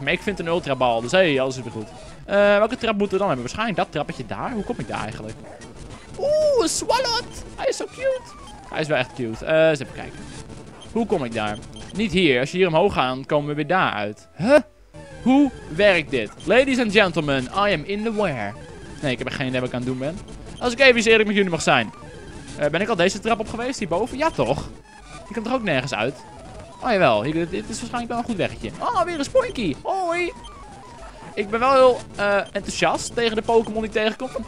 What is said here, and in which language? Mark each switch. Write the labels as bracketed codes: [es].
[nl] Maar ik vind een Ultra Ball. Dus hey, alles is weer goed. Welke trap moeten we dan hebben? Waarschijnlijk dat trappetje daar. Hoe kom ik daar eigenlijk? Oeh, een Swallowed. Hij is zo cute. Hij is wel echt cute. Eens even kijken. Hoe kom ik daar? Niet hier. Als je hier omhoog gaat, komen we weer daar uit. Huh? Hoe werkt dit? [en] Ladies and gentlemen, I am in the where. [nl] Nee, ik heb geen idee wat ik aan het doen ben. Als ik even eerlijk met jullie mag zijn. Ben ik al deze trap op geweest hierboven? Ja, toch? Ik kan er ook nergens uit. Oh, jawel. Dit is waarschijnlijk wel een goed weggetje. Oh, weer een Spoinkie. Hoi. Ik ben wel heel enthousiast tegen de Pokémon die ik tegenkom.